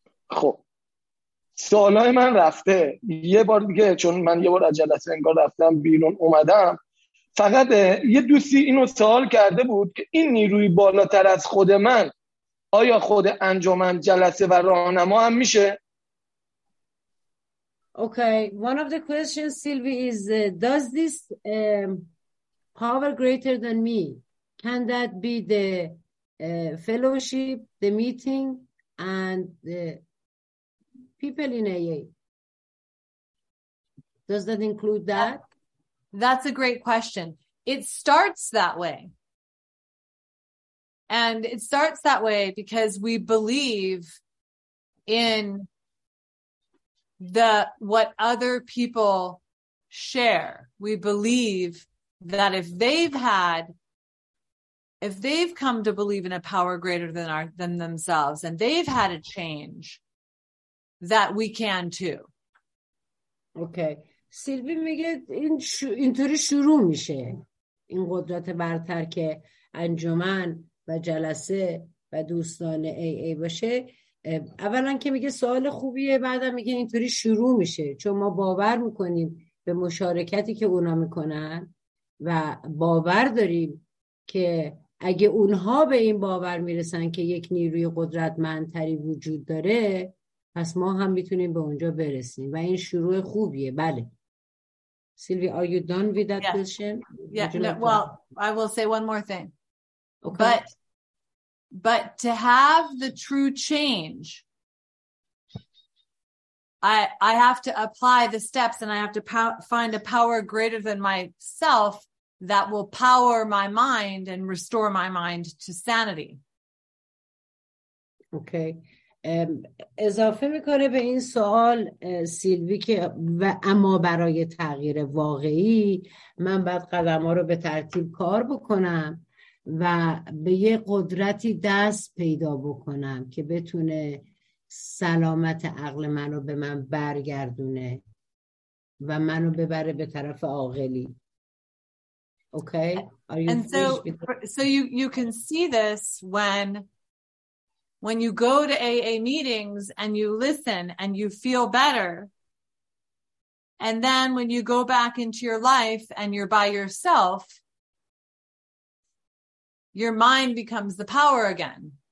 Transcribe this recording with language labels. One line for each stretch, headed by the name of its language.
Persian: خب سوالای من رفته یه بار دیگه، چون من یه بار از جلسه انگار رفتم بیرون اومدم. فقط یه دوستی اینو سوال کرده بود که این نیروی بالاتر از خود من، آیا خود انجمن جلسه و راهنما هم میشه؟
English: Okay, one of the questions, Sylvie, is does this power greater than me, can that be the fellowship, the meeting, and the people in AA? Does that include that? That's a great question. It starts that way. And it starts that way because we believe in that what other people share. We believe that if they've come to believe in a power greater than themselves, and they've had a change, that we can too. Okay.
Persian: سیلوی میگه اینطوری شروع میشه این قدرت برتر که انجمن و جلسه و دوستان ای ای باشه. اولا که میگه سوال خوبیه، بعدم میگه اینطوری شروع میشه، چون ما باور میکنیم به مشارکتی که اونا میکنن و باور داریم که اگه اونها به این باور میرسن که یک نیروی قدرتمندتری وجود داره، پس ما هم میتونیم به اونجا برسیم و این شروع خوبیه.
English: بله Sylvie, are you done with that question? I will say one more thing. Okay. But to have the true change, I have to apply the steps, and I have to find a power greater than myself that will power my mind and restore my mind to sanity. Okay.
Persian: اضافه میکنه به این سوال سیلوی که و اما برای تغییر واقعی من باید قدم ها رو به ترتیب کار بکنم و به یه قدرتی دست پیدا بکنم که بتونه سلامت عقل منو به من برگردونه و منو ببره به طرف عاقلی.
English: Okay. And so you can see this when you go to AA meetings and you listen and you feel better. And then when you go back into your life and you're by yourself, your mind becomes the power again.